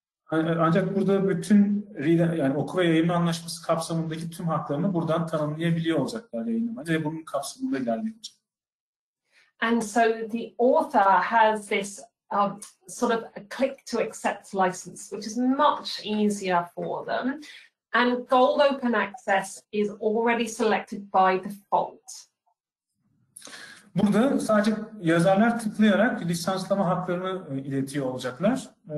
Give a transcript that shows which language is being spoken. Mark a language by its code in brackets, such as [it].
[tr] Ancak burada bütün yani oku ve yayınma anlaşması kapsamındaki tüm haklarını buradan tanımlayabiliyor olacaklar yayınlamacı ve bunun kapsamında ilerleyecek. [en] And so the author has this sort of a click to accept license, which is much easier for them. And gold open access is already selected by default. [tr] Burada sadece yazarlar tıklayarak lisanslama haklarını iletiyor olacaklar.